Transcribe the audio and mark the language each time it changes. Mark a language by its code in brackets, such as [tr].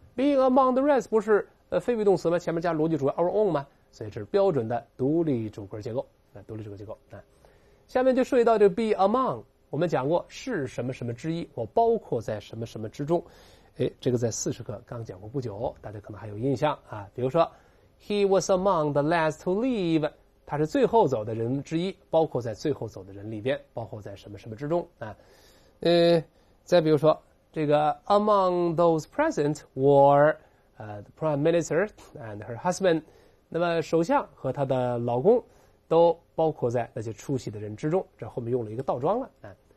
[en] being among the rest [zh] 不是非谓动词吗？前面加逻辑主格 our own 吗？所以这是标准的独立主格结构。独立主格结构。下面就涉及到这个 be among， 我们讲过是什么什么之一，我包括在什么什么之中。这个在40课刚讲过不久，大家可能还有印象啊。比如说 [en] ，He was among the last to leave。 [zh] 他是最后走的人之一，包括在最后走的人里边，包括在什么什么之中啊。再比如说这个 [en] among those present were the prime minister and her husband， [zh] 那么首相和他的老公都包括在那些出席的人之中，这后面用了一个倒装了啊。